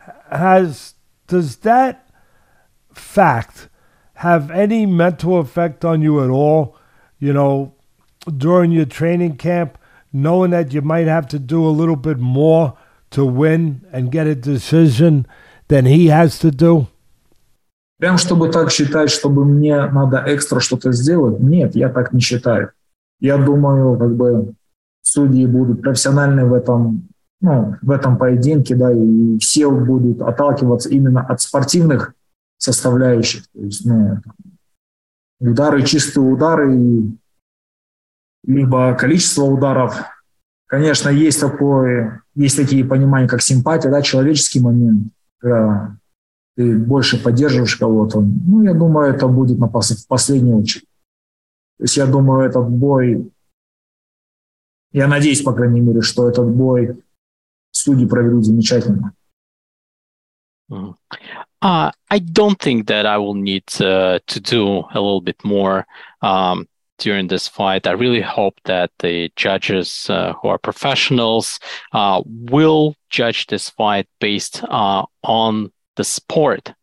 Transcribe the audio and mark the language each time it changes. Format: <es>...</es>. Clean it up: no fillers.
<en>Does that fact have any mental effect on you at all, you know, during your training camp, knowing that you might have to do a little bit more to win and get a decision than he has to do?</en> <ru>Прям чтобы так считать, чтобы мне надо экстра что-то сделать? Нет, я так не считаю. Я думаю, как бы судьи будут профессиональны в этом, ну, в этом поединке, да, и все будут отталкиваться именно от спортивных составляющих. То есть, ну, удары, чистые удары, либо количество ударов. Конечно, есть такое, есть такие понимания, как симпатия, да, человеческий момент, когда ты больше поддерживаешь кого-то. Ну, я думаю, это будет на последнюю очередь. То есть я думаю, этот бой, я надеюсь, по крайней мере, что этот бой судьи проведут замечательно.</ru> <en>I don't think that I will need to do a little bit more during this fight. I really hope that the judges who are professionals will judge this fight based on the sport.</en>